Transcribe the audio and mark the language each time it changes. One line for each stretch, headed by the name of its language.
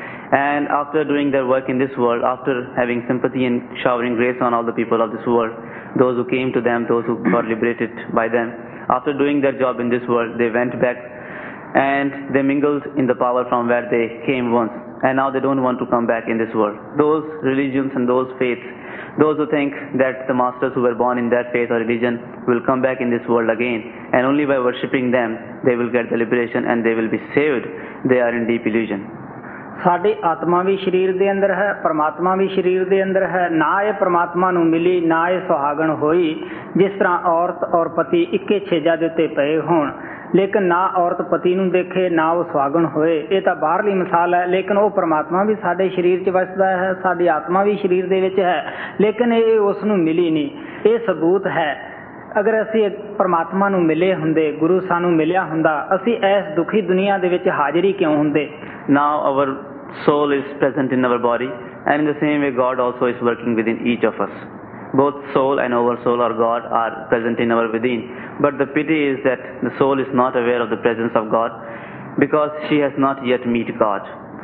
English: And after doing their work in this world, after having sympathy and showering grace on all the people of this world, those who came to them, those who got liberated by them, after doing their job in this world, they went back and they mingled in the power from where they came once. And now they don't want to come back in this world. Those religions and those faiths, those who think that the masters who were born in that faith or religion will come back in this world again, and only by worshipping them they will get the liberation and they will be saved, they are in deep illusion.
Punjabi: ਸਾਡੀ ਆਤਮਾ ਵੀ ਸਰੀਰ ਦੇ ਅੰਦਰ ਹੈ, ਪਰਮਾਤਮਾ ਵੀ ਸਰੀਰ ਦੇ ਅੰਦਰ ਹੈ, ਨਾ ਇਹ ਪਰਮਾਤਮਾ ਨੂੰ ਮਿਲੀ, ਨਾ ਇਹ ਸੁਹਾਗਣ ਹੋਈ, ਜਿਸ ਤਰ੍ਹਾਂ ਔਰਤ ਔਰ ਪਤੀ ਇੱਕੇ ਛੇਜਾ ਦੇ ਉੱਤੇ ਪਏ ਹੋਣ, ਲੇਕਿਨ ਨਾ ਔਰਤ ਪਤੀ ਨੂੰ ਦੇਖੇ, ਨਾ ਉਹ ਸੁਹਾਗਣ ਹੋਏ, ਇਹ ਤਾਂ ਬਾਹਰਲੀ ਮਿਸਾਲ ਹੈ। ਲੇਕਿਨ ਉਹ ਪਰਮਾਤਮਾ ਵੀ ਸਾਡੇ ਸਰੀਰ 'ਚ ਵੱਸਦਾ ਹੈ, ਸਾਡੀ ਆਤਮਾ ਵੀ ਸਰੀਰ ਦੇ ਵਿੱਚ ਹੈ, ਲੇਕਿਨ ਇਹ ਉਸ ਨੂੰ ਮਿਲੀ ਨਹੀਂ, ਇਹ ਸਬੂਤ ਹੈ। ਅਗਰ ਅਸੀਂ ਪਰਮਾਤਮਾ ਨੂੰ ਮਿਲੇ ਹੁੰਦੇ, ਗੁਰੂ ਸਾਨੂੰ ਮਿਲਿਆ ਹੁੰਦਾ, ਅਸੀਂ ਇਸ ਦੁਖੀ ਦੁਨੀਆਂ ਦੇ ਵਿੱਚ ਹਾਜ਼ਰੀ ਕਿਉਂ ਹੁੰਦੇ?
English: Now our soul is present in our body, and in the same way God also is working within each of us. Both soul and our soul or God are present in our within. But the pity is that the soul is not aware of the presence of God because she has not yet met God.